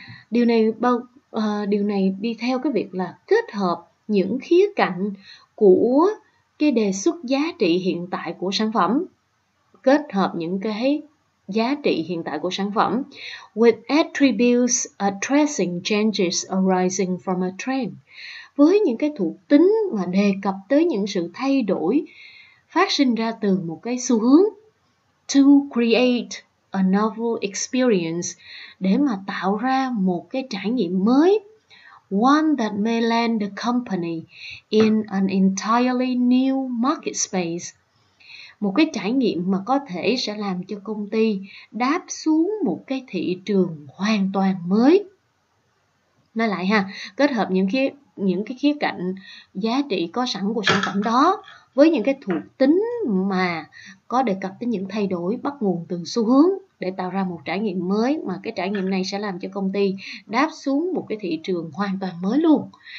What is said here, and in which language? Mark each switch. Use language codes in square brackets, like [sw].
[vi] Điều này đi theo cái việc là kết hợp những khía cạnh của cái đề xuất giá trị hiện tại của sản phẩm, kết hợp những cái giá trị hiện tại của sản phẩm [en] with attributes addressing changes arising from a trend, [vi] với những cái thuộc tính mà đề cập tới những sự thay đổi phát sinh ra từ một cái xu hướng. [en] To create a novel experience, [vi] để mà tạo ra một cái trải nghiệm mới. [en] One that may land the company in an entirely new market space. [vi] Một cái trải nghiệm mà có thể sẽ làm cho công ty đáp xuống một cái thị trường hoàn toàn mới. Nói lại ha, kết hợp những cái khía cạnh giá trị có sẵn của sản phẩm đó với những cái thuộc tính mà có đề cập đến những thay đổi bắt nguồn từ xu hướng, để tạo ra một trải nghiệm mới mà cái trải nghiệm này sẽ làm cho công ty đáp xuống một cái thị trường hoàn toàn mới luôn.